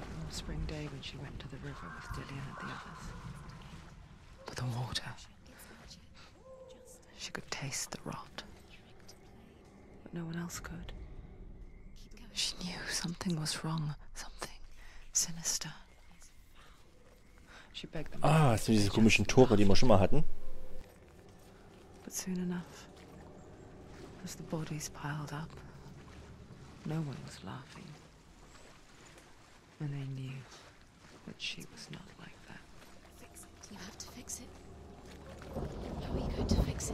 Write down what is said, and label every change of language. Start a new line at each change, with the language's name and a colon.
English: Spring day when she went to the river with Dillian and the others. But the water. She could taste the rot. But no one else could. She knew something was wrong. Something sinister. She begged them.
German: Ah, es sind diese komischen Tore, die wir schon mal hatten.
English: But soon enough, as the bodies piled up, no one was laughing. And they knew that she was not like that. You have to fix it. How are you going to fix it?